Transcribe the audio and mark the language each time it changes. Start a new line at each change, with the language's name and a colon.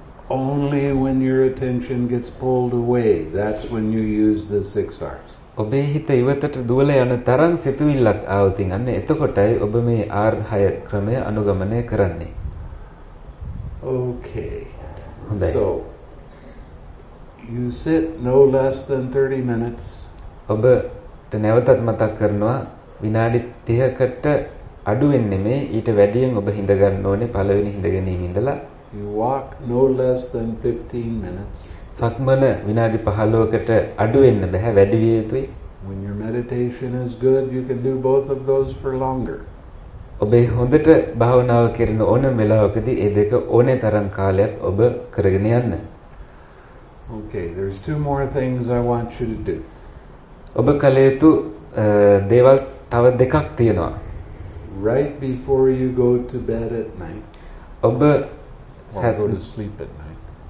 English: Only when your attention gets pulled away, that's when you use the 6 hours.
Sinhala: ඔබේ හිත ඉවතට දුවල යන තරම් සිතුවිල්ලක් ආවොත් අන්න එතකොටයි ඔබ මේ R6 ක්‍රමය අනුගමනය කරන්නේ.
English: Okay.
Sinhala: හොඳයි.
English: So you sit no less than 30 minutes.
Sinhala: ඔබට නැවතත් මතක් කරනවා විනාඩි 30කට අඩු වෙන්නේ මේ ඊට වැඩියෙන් ඔබ හිඳ ගන්න ඕනේ පළවෙනි හිඳ ගැනීම ඉඳලා.
English: You walk no less than 15 minutes.
Sinhala: සක්මන විනාඩි 15කට අඩු වෙන්න බෑ වැඩි විය යුතුයි.
English: When your meditation is good, you can do both of those for longer.
Sinhala: ඔබේ හොඳට භාවනාව කරන ඕනම වෙලාවකදී ඒ දෙක ඕනේ තරම් කාලයක් ඔබ කරගෙන යන්න.
English: Okay, there's two more things I want you to do.
Sinhala: ඔබ කල යුතු දේවල් තව දෙකක් තියෙනවා.
English: Right before you go to bed at night.
Sinhala: ඔබ
English: go to sleep at night.